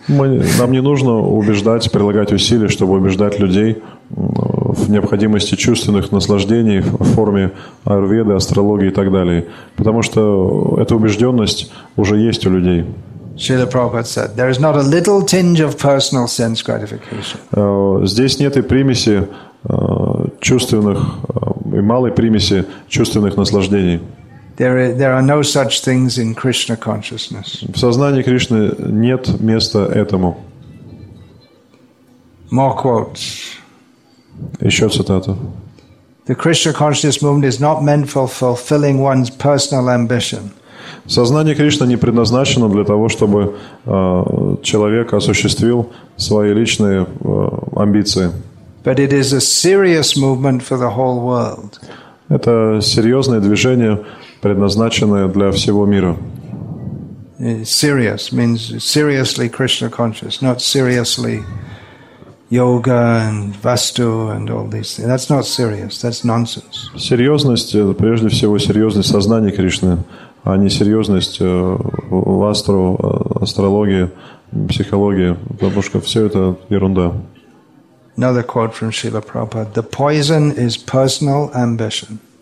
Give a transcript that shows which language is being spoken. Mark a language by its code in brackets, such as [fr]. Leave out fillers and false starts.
[ru] Нам не нужно убеждать, прилагать усилия, чтобы убеждать людей в необходимости чувственных наслаждений в форме аюрведы, астрологии и так далее. Потому что эта убежденность уже есть у людей. [en] Srila Prabhupada said, there is not a little tinge of personal sense gratification. [ru] Здесь нет и примеси чувственных, и малой примеси чувственных наслаждений. [en] There are no such things in Krishna consciousness. [ru] В сознании Кришны нет места этому. [en] More quotes. [ru] Еще цитата. [en] The Krishna consciousness movement is not meant for fulfilling one's personal ambition. [ru] Сознание Кришны не предназначено для того, чтобы человек осуществил свои личные амбиции. [en] But it is a serious movement for the whole world. [ru] Это серьезное движение, предназначенное для всего мира. [en] Serious means seriously Krishna conscious, not seriously yoga and vastu and all these things. That's not serious. That's nonsense. [ru] Серьезность, прежде всего, серьезность сознания Кришны, а не серьезность вастру, астрологии, психологии, потому что все это ерунда. [en] Another quote from Srila Prabhupada. The poison is personal ambition.